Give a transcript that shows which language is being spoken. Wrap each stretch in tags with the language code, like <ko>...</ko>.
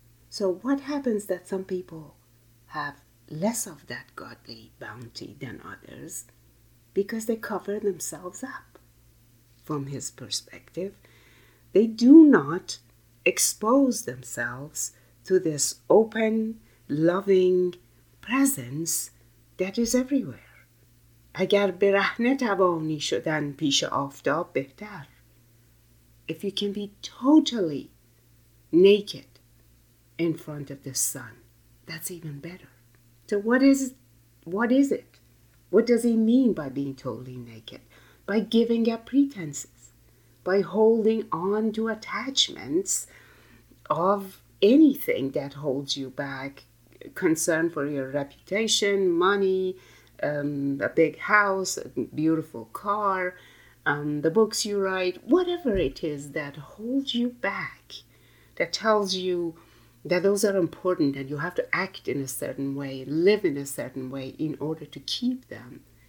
<en>So what happens that some people have less of that godly bounty than others? Because they cover themselves up. From his perspective, they do not expose themselves to this open, loving presence that is everywhere.</en> <fa>اگر برهنه توانی شدن پیش آفتاب بهتر.</fa> <en>If you can be totally naked in front of the sun, that's even better. So what is it? What does he mean by being totally naked? By giving up pretenses, by holding on to attachments of anything that holds you back, concern for your reputation, money, a big house, a beautiful car, the books you write, whatever it is that holds you back, that tells you that those are important and you have to act in a certain way, live in a certain way in order to keep them.</en>